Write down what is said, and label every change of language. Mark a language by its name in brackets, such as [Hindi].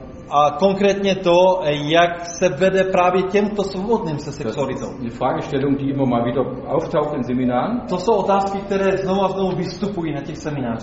[Czech] A konkrétně to, jak se vede právě těmto svobodným se sexualitou. [German] Die Fragestellung, die immer mal wieder auftaucht in Seminaren. [Czech] To jsou otázky, které znovu a znovu vystupují na těch seminářích.